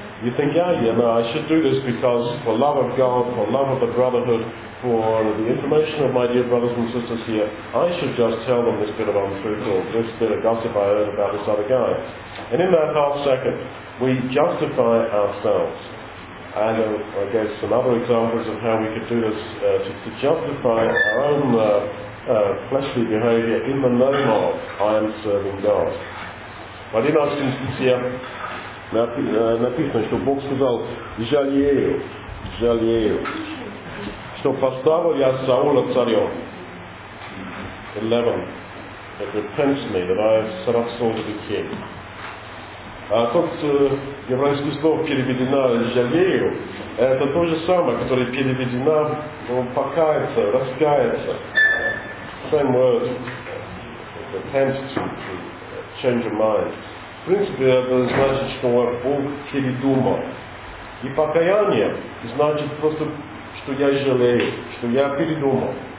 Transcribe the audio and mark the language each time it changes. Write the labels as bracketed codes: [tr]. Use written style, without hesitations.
[en] You think, yeah, no, I should do this because for love of God, for love of the brotherhood, for the information of my dear brothers and sisters here, I should just tell them this bit of untruth or this bit of gossip I heard about this other guy. And in that half second, we justify ourselves. And I gave some other examples of how we could do this to justify our own fleshly behavior in the name of I am serving God. [ru] В 11 стихе написано, что Бог сказал, жалею, жалею, что поставил я Саула царем. 11. [en] That repents me, that I have set Saul to be king. [ru] Тут еврейское слово переведено «жалею» — это то же самое, которое переведено «покаяться», «раскаяться». [en] Same word. Attempt to change your mind. [ru] В принципе, это значит, что Бог передумал. И покаяние значит просто, что я жалею, что я передумал.